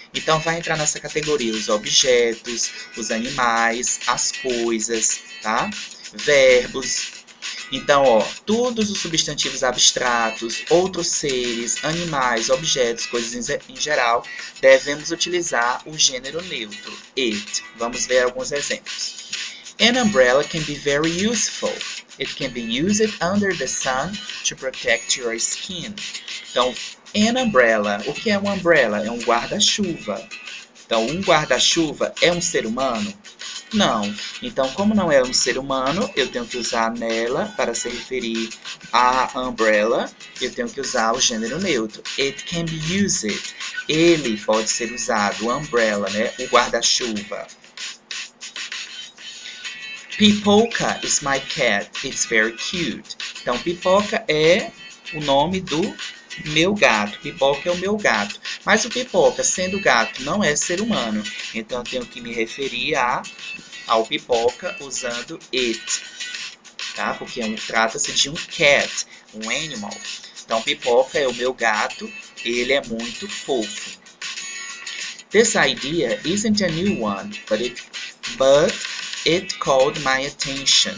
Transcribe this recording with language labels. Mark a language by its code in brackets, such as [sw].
[pt] Então vai entrar nessa categoria os objetos, os animais, as coisas, tá? Verbos. Então, ó, todos os substantivos abstratos, outros seres, animais, objetos, coisas em geral, devemos utilizar o gênero neutro, it. Vamos ver alguns exemplos. [en] An umbrella can be very useful. It can be used under the sun to protect your skin. [pt] Então, an umbrella, o que é uma umbrella? É um guarda-chuva. Então, um guarda-chuva é um ser humano? Não. Então, como não é um ser humano, eu tenho que usar nela para se referir à umbrella. Eu tenho que usar o gênero neutro. [en] It can be used. [pt] Ele pode ser usado. Umbrella, né? O guarda-chuva. [en] Pipoca is my cat. It's very cute. [pt] Então, pipoca é o nome do meu gato. Pipoca é o meu gato. Mas o pipoca, sendo gato, não é ser humano. Então, eu tenho que me referir ao pipoca usando it, tá? Porque trata-se de um cat, um animal. Então, pipoca é o meu gato. Ele é muito fofo. [en] This idea isn't a new one, but it called my attention.